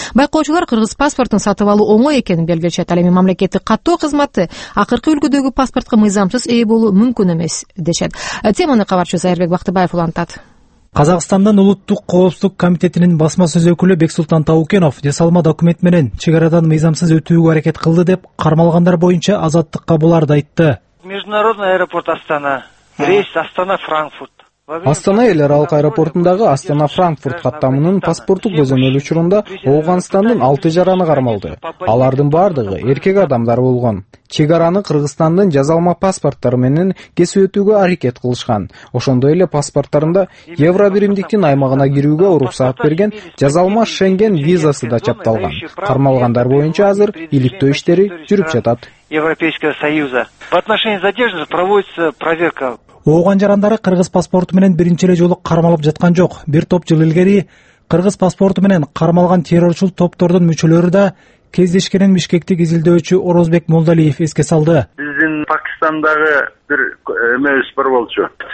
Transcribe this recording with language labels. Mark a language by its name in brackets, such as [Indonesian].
[Kyrgyz] Байкоочулар кыргыз паспортун сатып алуу оңой экенин белгилешет, ал эми мамлекеттик каттоо кызматы акыркы үлгүдөгү паспортко мыйзамсыз ээ болуу мүмкүн эмес дешет. Теманы кабарчыбыз Айырбек Бактыбаев улантат. Казакстандын улуттук коопсуздук комитетинин басма сөз өкүлү Бексултан Таукенов жасалма документ менен чек арадан мыйзамсыз өтүүгө аракет кылды деп кармалгандар боюнча азаттыкка буларды айтты. [Russian] Международный аэропорт Астана, рейс Астана Франкфурт. [Kyrgyz] Астана эл аралык аэропортундагы Астана Франкфурт каттамынын паспорту көзөмөл учурунда Ооганстандын 6 жараны кармалды. Алардын баардыгы эркек адамдар болгон. Чек араны Кыргызстандын жазалма паспорттору менен кесип өтүүгө аракет кылышкан. Ошондой эле паспорттарында Евро биримдиктин аймагына кирүүгө уруксат берген жазалма Шенген визасы да чапталган. Кармалгандар боюнча азыр иликтөө иштери жүрүп жатат. [Russian] Европейского союза. В отношении задержанных проводится проверка. [Kyrgyz] Ооган жарандары кыргыз паспорту менен биринчи эле жолу кармалып жаткан жок. Бир топ жыл илгери кыргыз паспорту менен кармалган террорчул топтордун мүчөлөрү да кездешкенин Бишкектик изилдөөчү Орозбек Молдалиев эске салды. Биздин Пакистандагы бир эмебиз бар болчу.